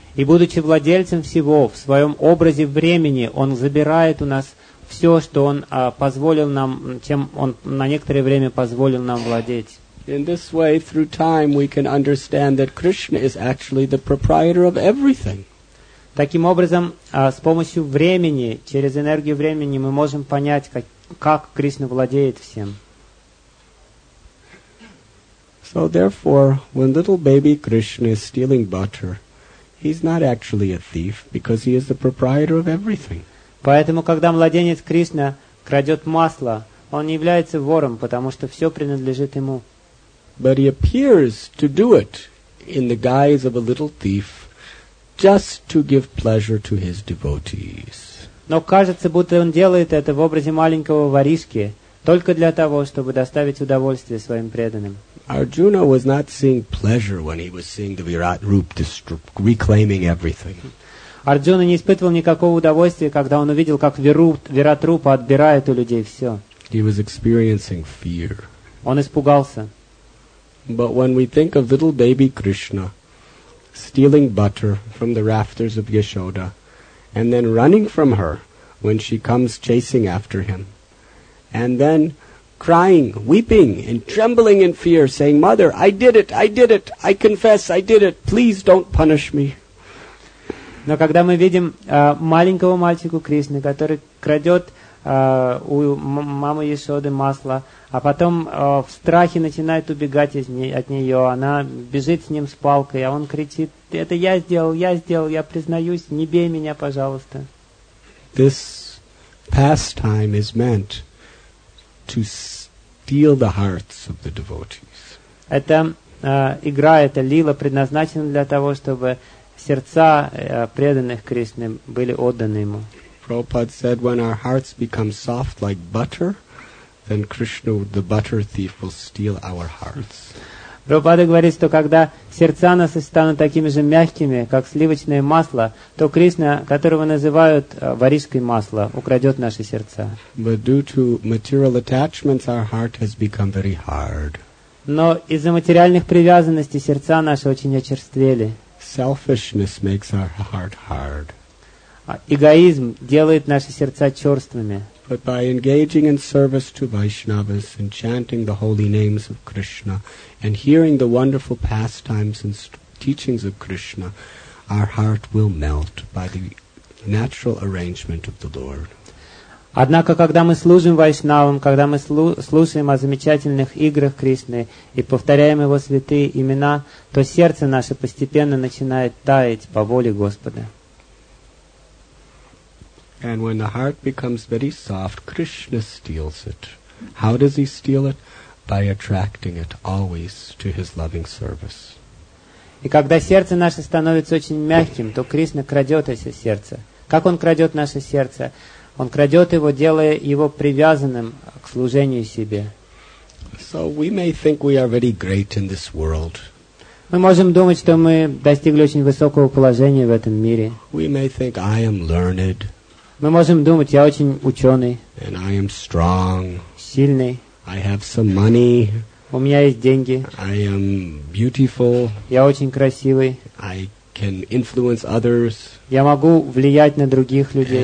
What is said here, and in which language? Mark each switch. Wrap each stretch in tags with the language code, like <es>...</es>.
<ru>И будучи владельцем всего, в своем образе времени, он забирает у нас все, что он позволил нам, чем он на некоторое время позволил нам владеть.</ru> <en>In this way, through time, we can understand that Krishna is actually the proprietor of everything.</en> <ru>Таким образом, с помощью времени, через энергию времени, мы можем понять, как Кришна владеет всем.</ru> <en>So therefore, when little baby Krishna is stealing butter, he's not actually a thief, because he is the proprietor of everything.</en> <ru>Поэтому, когда младенец Кришна крадет масло, он не является вором, потому что все принадлежит ему.</ru> <en>But he appears to do it in the guise of a little thief, just to give pleasure to his devotees.</en> <ru>Но кажется, будто он делает это в образе маленького воришки, только для того, чтобы доставить удовольствие своим преданным.</ru> <en>Arjuna was not seeing pleasure when he was seeing the Virat Rup reclaiming everything.</en> <ru>Арджуна не испытывал никакого удовольствия, когда он увидел, как Вират Рупа отбирает у людей все.</ru> <en>He was experiencing fear.</en> <ru>Он испугался.</ru> <en>But when we think of little baby Krishna stealing butter from the rafters of Yashoda and then running from her when she comes chasing after him and then crying, weeping and trembling in fear, saying, "Mother, I did it, I did it, I confess, I did it, please don't punish me."</en> <ru>Но когда мы видим маленького мальчика Кришны, который крадет у мамы Ясоды масло, а потом в страхе начинает убегать от нее, она бежит с ним с палкой, а он кричит, это я сделал, я признаюсь, не бей меня, пожалуйста.</ru> <en>This pastime is meant to steal the hearts of the devotees.</en> <ru>Эта игра, эта лила предназначена для того, чтобы сердца преданных Кришны были отданы ему.</ru> <en>Prabhupada said, when our hearts become soft like butter, then Krishna, the butter thief, will steal our hearts.</en> <ru>Прабхупада говорит, что когда сердца нас станут такими же мягкими, как сливочное масло, то Кришна, которого называют варишкой масла, украдет наши сердца.</ru> <en>But due to material attachments, our heart has become very hard.</en> <ru>Но из-за материальных привязанностей сердца наши очень очерствели.</ru> <en>Selfishness makes our heart hard.</en> <ru>Эгоизм делает наши сердца черствыми.</ru> <en>But by engaging in service to Vaishnavas and chanting the holy names of Krishna and hearing the wonderful pastimes and teachings of Krishna, our heart will melt by the natural arrangement of the Lord.</en> <ru>Однако, когда мы служим Вайшнавам, когда мы слушаем о замечательных играх Кришны и повторяем Его святые имена, то сердце наше постепенно начинает таять по воле Господа.</ru> <en>And when the heart becomes very soft, Krishna steals it. How does he steal it? By attracting it always to his loving service.</en> <ru>И когда сердце наше становится очень мягким, то Кришна крадет это сердце. Как он крадет наше сердце? Он крадет его, делая его привязанным к служению себе.</ru> <en>So we may think we are very great in this world.</en> <ru>Мы можем думать, что мы достигли очень высокого положения в этом мире.</ru> <en>We may think I am learned.</en> <ru>Мы можем думать, я очень ученый.</ru> <en>And I am strong.</en> <ru>Сильный.</ru> <en>I have some money.</en> <ru>У меня есть деньги.</ru> <en>I am beautiful.</en> <ru>Я очень красивый.</ru> <en>I can influence others.</en> <ru>Я могу влиять на других людей.</ru>